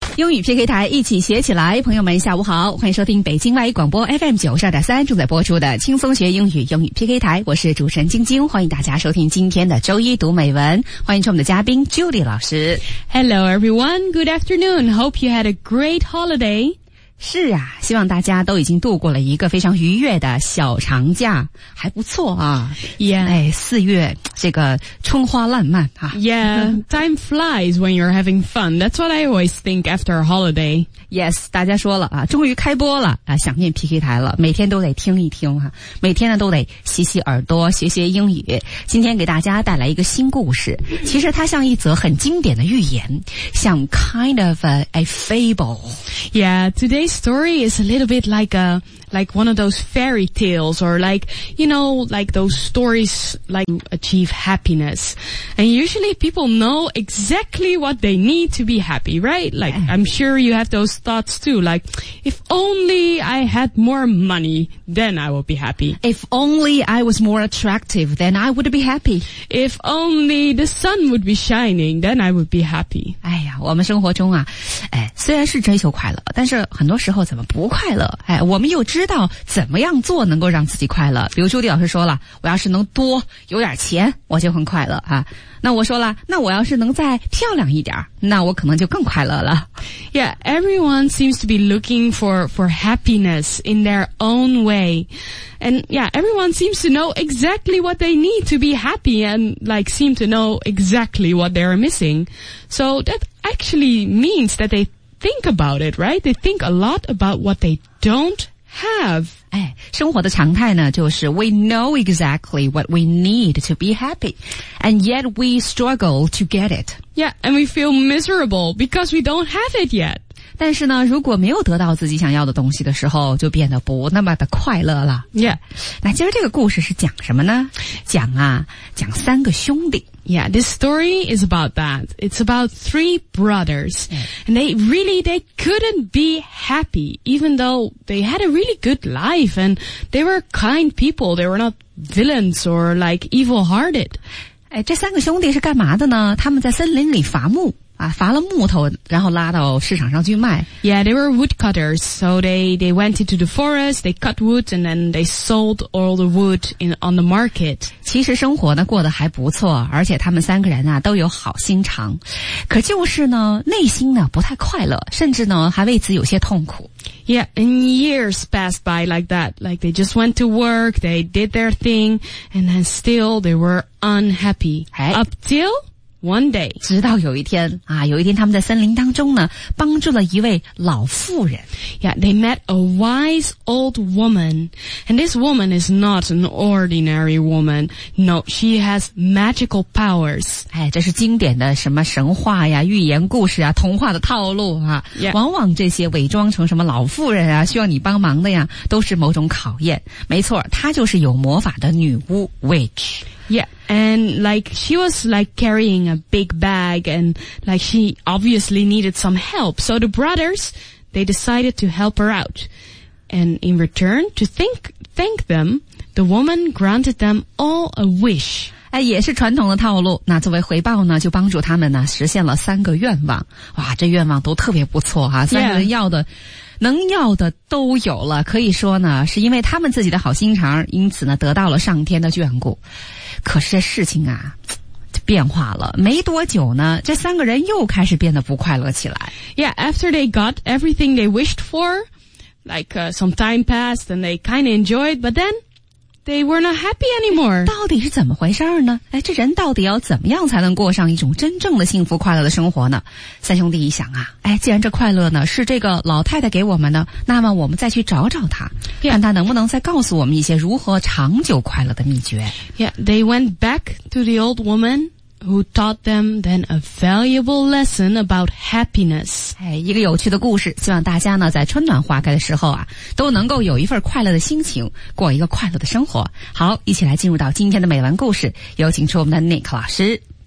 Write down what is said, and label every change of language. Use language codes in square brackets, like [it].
[zh] 英语 PK 台一起学起来，朋友们下午好，欢迎收听北京外语广播 FM92.3 正在播出的轻松学英语英语 PK 台，我是主持人晶晶，欢迎大家收听今天的周一读美文，欢迎出我们的嘉宾 Julie 老师。 [en] Hello everyone, good afternoon, hope you had a great holiday. [zh] 是啊，希望大家都已经度过了一个非常愉悦的小长假，还不错啊。 [en] Yeah. [zh] 哎，四月这个春花烂漫啊。 [en] Yeah, time flies when you're having fun. That's what I always think after a holiday. [zh] Yes, 大家说了啊，终于开播了啊，想念 PK 台了，每天都得听一听啊，每天呢都得洗洗耳朵，学学英语。今天给大家带来一个新故事，其实它像一则很经典的寓言，像 [en] kind of a fable. Yeah, today's story is a little bit like one of those fairy tales, or like, you know, like those stories like to achieve happiness. And usually people know exactly what they need to be happy, right? Like, I'm sure you have those thoughts too. Like, if only I had more money, then I would be happy. If only I was more attractive, then I would be happy. If only the sun would be shining, then I would be happy. [zh] 哎呀，我们生活中啊，哎，虽然是追求快乐，但是很多时候怎么不快乐？哎，我们又知道怎么样做能够让自己快乐，比如朱迪老师说了，我要是能多有点钱我就很快乐啊。那我说了，那我要是能再漂亮一点，那我可能就更快乐了。 [en] Yeah, everyone seems to be looking for happiness in their own way. And yeah, everyone seems to know exactly what they need to be happy and like seem to know exactly what they're missing. So that actually means that they think about it, right? They think a lot about what they don't have. [zh] 哎，生活的常态呢，就是 [en] we know exactly what we need to be happy, and yet we struggle to get it. Yeah, and we feel miserable because we don't have it yet. [zh] 但是呢，如果没有得到自己想要的东西的时候，就变得不那么的快乐了。 [en] Yeah. [zh] 那今儿这个故事是讲什么呢？讲啊，讲三个兄弟。 [en] Yeah, this story is about that. It's about three brothers. And they couldn't be happy, even though they had a really good life and they were kind people. They were not villains or like evil hearted. [zh] 哎，这三个兄弟是干嘛的呢？他们在森林里伐木。啊，伐了木头，然后拉到市场上去卖。 [en] Yeah, they were woodcutters, so they went into the forest, they cut wood, and then they sold all the wood on the market. [zh] 其实生活呢过得还不错，而且他们三个人啊都有好心肠，可就是呢内心呢不太快乐，甚至呢还为此有些痛苦。 [en] Yeah, and years passed by like that. Like they just went to work, they did their thing, and then still they were unhappy. Up till one day. [zh] 直到有一天啊，有一天他们在森林当中呢帮助了一位老妇人。 [en] Yeah, they met a wise old woman. And this woman is not an ordinary woman. No, she has magical powers. [zh] 哎，这是经典的什么神话呀，寓言故事啊，童话的套路啊。 [en] Yeah. [zh] 往往这些伪装成什么老妇人啊，需要你帮忙的呀，都是某种考验。没错，她就是有魔法的女巫 ,witch。 [en] Yeah, and like she was like carrying a big bag and like she obviously needed some help. So the brothers, they decided to help her out. And in return, to thank them, the woman granted them all a wish. [zh] 哎，也是传统的套路。那作为回报呢，就帮助他们呢实现了三个愿望。哇，这愿望都特别不错啊，三个人要的。 [en] Yeah. [zh] 能要的都有了，可以说呢是因为他们自己的好心肠，因此呢得到了上天的眷顾。可是这事情啊就变化了，没多久呢这三个人又开始变得不快乐起来。 [en] Yeah, after they got everything they wished for, like some time passed and they kind of enjoyed, but then they were not happy anymore. [zh] 到底是怎么回事呢？哎，这人到底要怎么样才能过上一种真正的幸福快乐的生活呢？三兄弟一想啊，哎，既然这快乐呢是这个老太太给我们的，那么我们再去找找她，看她能不能再告诉我们一些如何长久快乐的秘诀。 [en] Yeah, they went back to the old woman who taught them then a valuable lesson about happiness. [zh] 哎，一个有趣的故事，希望大家呢在春暖花开的时候啊，都能够有一份快乐的心情，过一个快乐的生活。好，一起来进入到今天的美文故事，有请出我们的 Nick 老师。